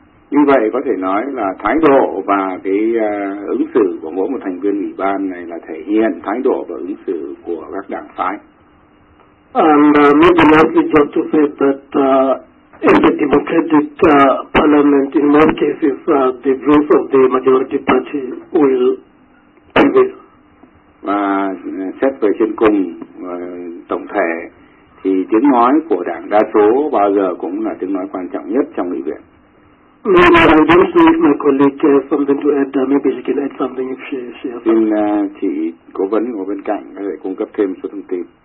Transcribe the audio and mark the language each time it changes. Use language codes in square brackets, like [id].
[vi] Như vậy có thể nói là thái độ và cái ứng xử của mỗi một thành viên ủy ban này là thể hiện thái độ và ứng xử của các đảng phái. [en] And maybe lastly, just to say that in the democratic parliament, in most cases, the views of the majority party will prevail. [vi] Và xét về trên cùng tổng thể thì tiếng nói của đảng đa số bao giờ cũng là tiếng nói quan trọng nhất trong nghị viện. [en] No, no, I don't know if my colleague has something to add. Maybe she can add something if she has something. [vi] Xin chị cố vấn ở bên cạnh có thể cung cấp thêm số thông tin.